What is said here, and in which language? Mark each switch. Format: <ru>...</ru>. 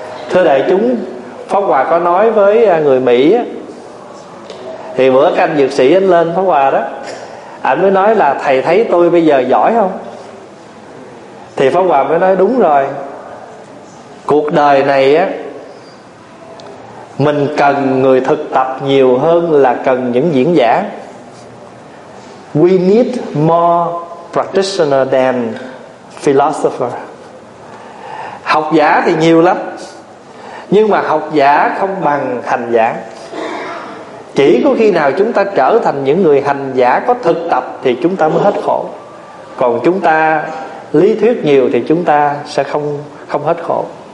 <vi>Thưa đại chúng, Pháp Hòa có nói với người Mỹ, thì bữa các anh dược sĩ anh lên Pháp Hòa đó, anh mới nói là thầy thấy tôi bây giờ giỏi không? Thì Pháp Hòa mới nói đúng rồi, cuộc đời này á, mình cần người thực tập nhiều hơn là cần những diễn giả.</vi> <en>We need more practitioner than philosopher.</en> <vi>Học giả thì nhiều lắm, nhưng mà học giả không bằng hành giả. Chỉ có khi nào chúng ta trở thành những người hành giả có thực tập thì chúng ta mới hết khổ. Còn chúng ta lý thuyết nhiều thì chúng ta sẽ không hết khổ.</vi>